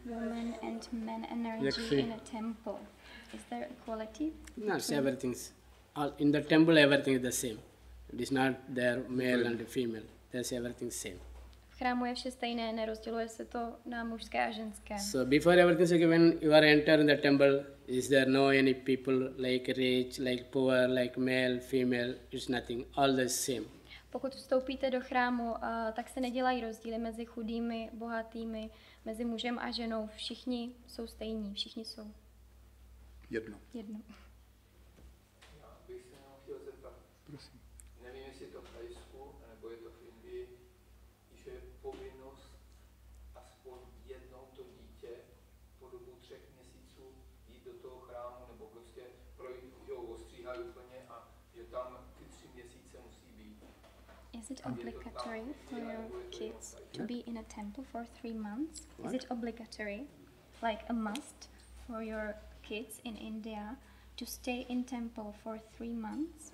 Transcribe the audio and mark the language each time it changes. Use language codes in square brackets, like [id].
[en] Women and men energy in a temple. Is there equality? No, everything's in the temple everything is the same. It is not there male and female. There's everything same. [cs] V chrámu je vše stejné, nerozděluje se to na mužské a ženské. [en] So before everything, when you are entering the temple, is there no any people like rich, like poor, like male, female? It's nothing. All the same. [cs] Pokud vstoupíte do chrámu, tak se nedělají rozdíly mezi chudými, bohatými, mezi mužem a ženou. Všichni jsou stejní. Všichni jsou jedno. Jedno. Já bych se jenom chtěl zeptat. Prosím. Nevím, jestli je to v Thajsku, nebo je to v Indii, že je povinnost aspoň jednou to dítě po dobu 3 měsíců jít do toho chrámu, nebo prostě projít, jo, ostříhají úplně a je tam ty 3 měsíce musí být. [en] Is it obligatory for your kids to be in a temple for 3 months? What? Is it obligatory, like a must, for your kids in India to stay in temple for 3 months?